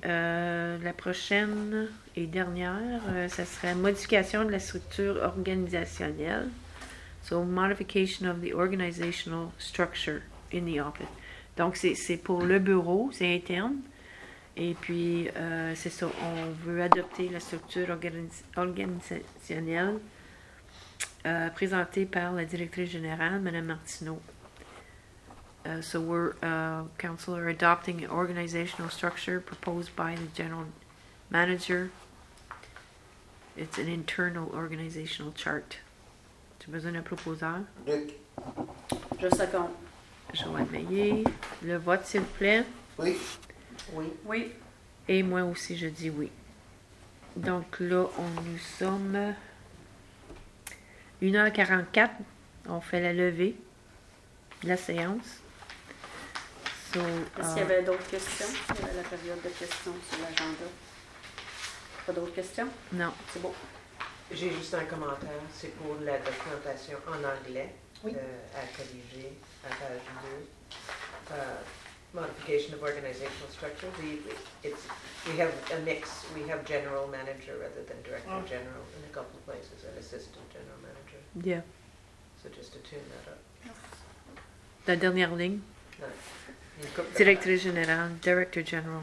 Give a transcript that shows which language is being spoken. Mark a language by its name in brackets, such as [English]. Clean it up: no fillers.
[French] La prochaine et dernière, ça serait modification de la structure organisationnelle. [English] So, modification of the organizational structure in the office. [French] Donc, c'est pour le bureau, c'est interne. Et puis, c'est ça, on veut adopter la structure organisationnelle présentée par la directrice générale, Mme Martineau. [English] So we're councillor adopting an organizational structure proposed by the general manager. It's an internal organizational chart. [French] Tu as besoin d'un proposeur? Luc. Je seconde. Joanne Maillet. Le vote, s'il vous plaît. Oui. Oui. Oui. Et moi aussi, je dis oui. Donc là, nous sommes 1h44. On fait la levée de la séance. Est-ce qu'il y avait d'autres questions? Il y avait la période de questions sur l'agenda. Pas d'autres questions? Non. C'est bon. J'ai juste un commentaire. C'est pour la documentation en anglais à corriger à page 2. [English] Modification of organizational structure. We have general manager rather than director general in a couple of places and assistant general manager. Yeah. So just to tune that up. [French] La dernière ligne? [English] No. [French] Directrice générale, directeur général.